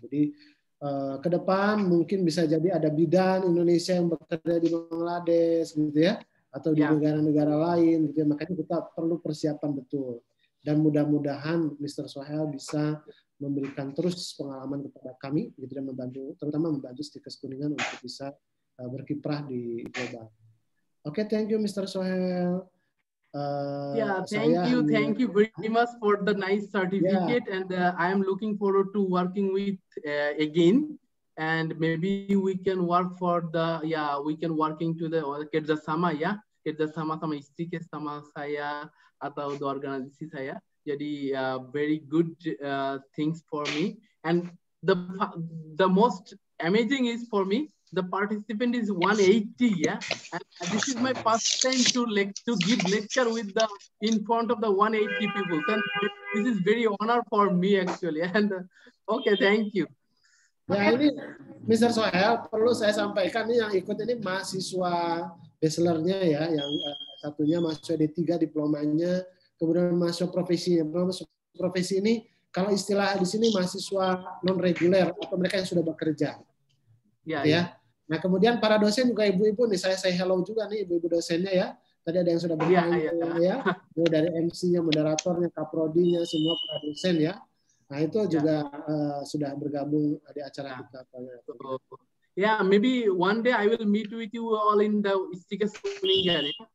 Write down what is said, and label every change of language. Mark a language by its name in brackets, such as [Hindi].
[Indonesian] Jadi ke depan mungkin bisa jadi ada bidan Indonesia yang bekerja di Bangladesh gitu ya, atau di negara-negara lain gitu ya. Makanya kita perlu persiapan betul. Dan mudah-mudahan Mr. Sohel bisa memberikan terus pengalaman kepada kami, gitu, dan membantu, terutama membantu Stikes Kuningan untuk bisa berkiprah di global. [English] Oke, thank you, Mr. Sohel. Thank you very much for the nice certificate, and I am looking forward to working with again, and maybe we can work for the we can working to the [Indonesian] kerjasama ya, kerjasama sama Stikes sama saya atau [English] the organisasi saya. Jadi very good things for me, and the most amazing is for me the participant is 180 and this is my first time to give lecture with the in front of the 180 people, and this is very honor for me actually. And okay, thank you. [Indonesian] Nah, ini Mr. Sohel, perlu saya sampaikan ini yang ikut ini mahasiswa bachelor-nya ya, yang satunya mahasiswa D3 diplomanya. Kemudian masuk profesi ini, kalau istilah di sini mahasiswa non reguler atau mereka yang sudah bekerja, ya. Nah, kemudian para dosen juga ibu-ibu nih, saya [English] say hello [Indonesian] juga nih ibu-ibu dosennya ya. Tadi ada yang sudah bergabung. Mulai dari MC-nya, moderatornya, kaprodinya, semua para dosen ya. Nah, itu juga sudah bergabung di acara kita. [English] Maybe one day I will meet with you all in the Stikes Kuningan.